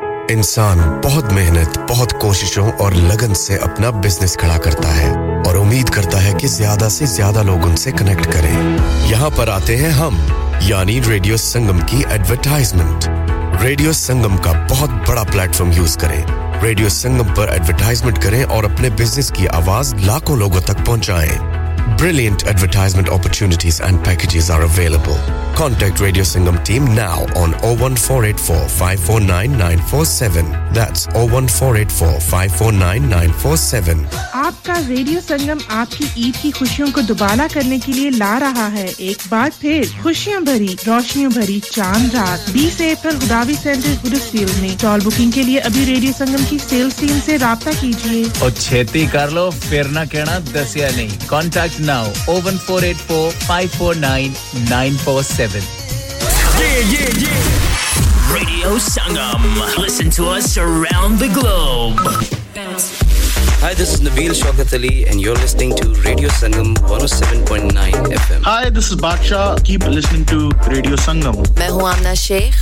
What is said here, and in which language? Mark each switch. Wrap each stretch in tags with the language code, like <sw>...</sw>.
<hi>इंसान बहुत मेहनत, बहुत कोशिशों और लगन से अपना बिजनेस खड़ा करता है और उम्मीद करता है कि ज्यादा से ज्यादा लोग उनसे कनेक्ट करें। यहां पर आते हैं हम, यानी रेडियो संगम की एडवर्टाइजमेंट। रेडियो संगम का बहुत बड़ा प्लेटफॉर्म यूज करें, रेडियो संगम पर एडवर्टाइजमेंट करें और अपने बिजनेस की आवाज लाखों लोगों तक पहुंचाएं।</hi> <en>Brilliant advertisement opportunities and packages are available. Contact Radio Sangam team now on 01484549947. That's 01484549947.</en> <hi>आपका Radio Sangam आपकी ईद की खुशियों को दुबारा करने के लिए ला रहा है। एक बार फिर खुशियों भरी, रोशनियों भरी चांद रात 20 अप्रैल गुदावी सेंटर गुरुसिल्ड में। कॉल बुकिंग के लिए अभी Radio Sangam की सेल्स टीम से राबता कीजिए।</hi> <pa>ओ छेती कर लो, फिर ना कहना दसिया नहीं।</pa> <en>contact now</en> <pa>01484549947.</pa> <en>Yeah. Radio Sangam, listen to us around the globe. Hi, this is Nabeel Shaukat Ali and you're listening to Radio Sangam 107.9 FM. Hi, this is Baksha. Keep listening to Radio Sangam.</en> <hi>Main hu Amna Sheikh.</hi>